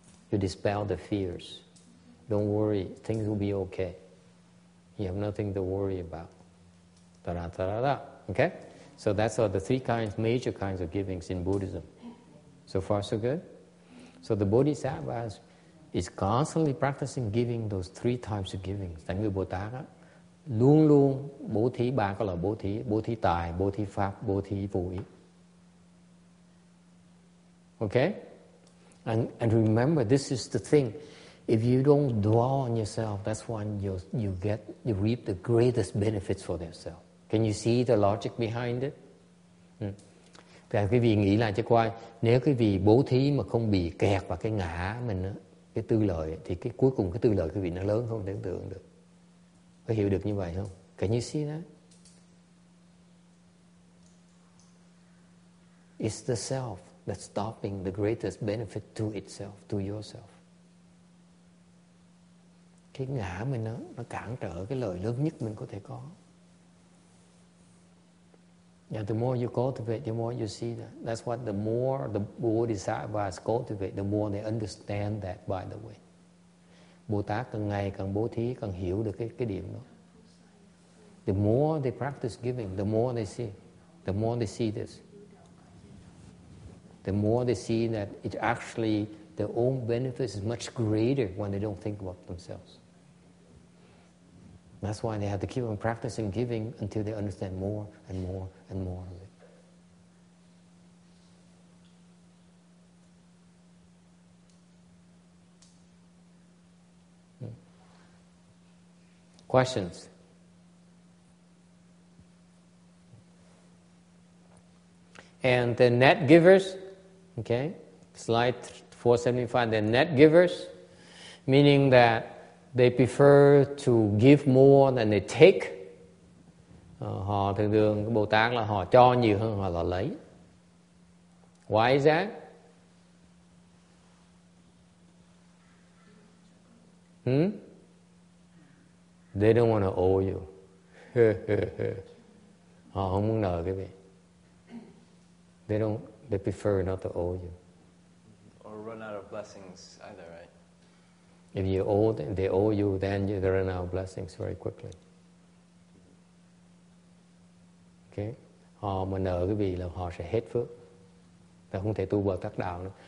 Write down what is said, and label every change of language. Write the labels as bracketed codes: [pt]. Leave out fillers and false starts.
[en] To dispel the fears. Don't worry, things will be okay. You have nothing to worry about. Da da da da da. Okay? So that's all the three kinds, major kinds of givings in Buddhism. So far, so good? So the Bodhisattvas is constantly practicing giving those three types of givings. [vi] Thánh vị Bồ Tát luôn luôn bố thí ba cái là bố thí tài, bố thí pháp, bố thí phụ ý. [en] Okay? And remember, this is the thing. If you don't dwell on yourself, that's when you reap the greatest benefits for yourself. Can you see the logic behind it? [vi] Thì quý vị nghĩ lại cho coi, nếu quý vị bố thí mà không bị kẹt vào cái ngã mình, cái tư lợi, thì cái cuối cùng cái tư lợi quý vị nó lớn không tưởng tượng được. Có hiểu được như vậy không? [en] Can you see that? It's the self that's stopping the greatest benefit to itself, to yourself. [vi] Cái ngã mình nó cản trở cái lợi lớn nhất mình có thể có. [en] And the more you cultivate, the more you see that. That's what the more the Bodhisattvas cultivate, the more they understand that, by the way. [vi] Bồ Tát càng ngày càng bố thí, càng hiểu được cái điểm đó. [en] The more they practice giving, the more they see. The more they see this. The more they see that it actually, their own benefit is much greater when they don't think about themselves. That's why they have to keep on practicing giving until they understand more and more and more of it. Questions? And the net givers? Okay, slide 475, they're net givers, meaning that they prefer to give more than they take. [vi] Họ thường thường, Bồ Tát là họ cho nhiều hơn họ là lấy. [en] Why is that? They don't want to owe you. [vi] Họ không muốn nợ cái gì. [en] They prefer not to owe you. Or run out of blessings either, right? If you owe them, they owe you, then you run out of blessings very quickly. Okay? [vi] Họ mà nợ cái vị là họ sẽ hết phước. Họ không thể tu Bồ Tát đạo nữa.